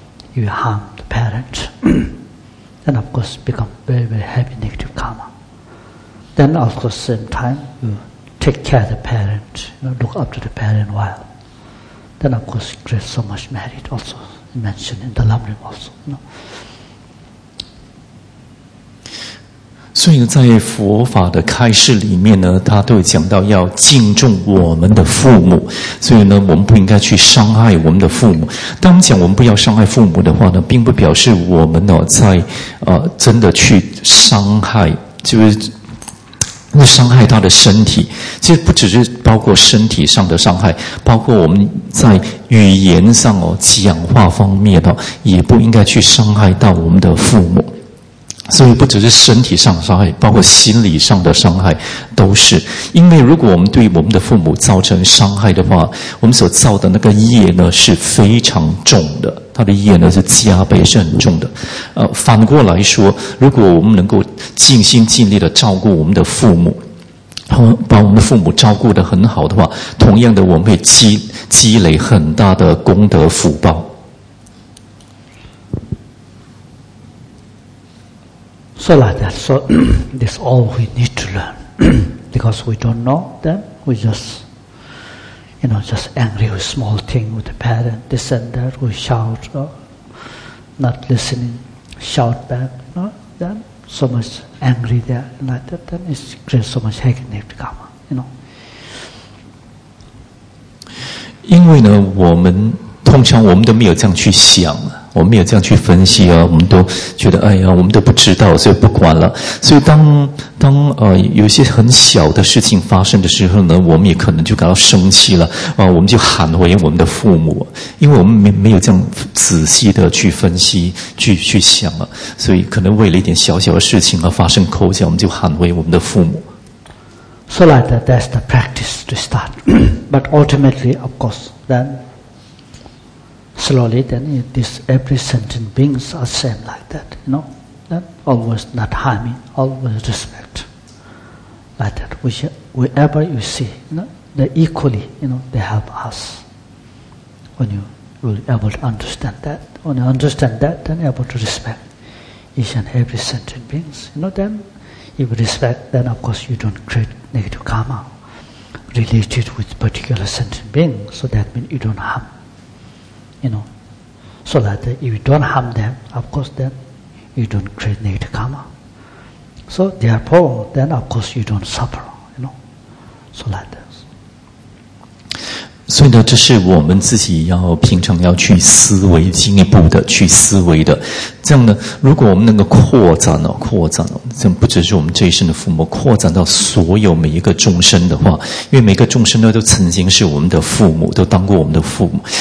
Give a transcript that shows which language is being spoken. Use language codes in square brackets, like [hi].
[en] If you harm the parent, then of course become very, very heavy negative karma. Then of course same time, you take care of the parent, you know, look up to the parent while. Then of course create so much merit also, mentioned in the Lamrim also, you know. [zh] 所以在佛法的开示里面呢，他都有讲到要敬重我们的父母，所以呢，我们不应该去伤害我们的父母。当我们讲我们不要伤害父母的话呢，并不表示我们呢在真的去伤害，就是那伤害他的身体，其实不只是包括身体上的伤害，包括我们在语言上哦，讲话方面哦，也不应该去伤害到我们的父母。所以不只是身体上的伤害，包括心理上的伤害都是。因为如果我们对我们的父母造成伤害的话，我们所造的那个业呢是非常重的。他的业呢是加倍，是很重的。反过来说，如果我们能够尽心尽力的照顾我们的父母，把我们的父母照顾得很好的话，同样的我们会积累很大的功德福报。 [en] So like that, so that's all we need to learn. Because we don't know them, we just, you know, just angry with small thing, with the parent, this and that, we shout, you know, not listening, shout back, you know, then so much angry there, like that, then it creates so much agony to come, you know. [zh] 因为呢，我们通常我们都没有这样去想，我们没有这样去分析啊，我们都觉得哎呀，我们都不知道，所以不管了。所以当有些很小的事情发生的时候呢，我们也可能就感到生气了啊，我们就喊回我们的父母，因为我们没有这样仔细的去分析去想啊，所以可能为了一点小小的事情而发生口角，我们就喊回我们的父母。 [en] So like that, that's the practice to start. But ultimately, of course, then. Slowly, then this every sentient beings are same like that, you know. Then always not harming, always respect, like that. Wherever you see, you know, they equally, you know, they help us. When you will be able to understand that, when you understand that, then you're able to respect each and every sentient beings. You know, then if you respect, then of course you don't create negative karma related with particular sentient beings. So that means you don't harm. You know, so that if you don't harm them, of course, then you don't create negative karma. So therefore, then of course you don't suffer. You know, so like this. [zh] 所以呢，这是我们自己要平常要去思维进一步的去思维的。这样呢，如果我们能够扩展了，这不只是我们这一生的父母，扩展到所有每一个众生的话，因为每个众生呢都曾经是我们的父母，都当过我们的父母。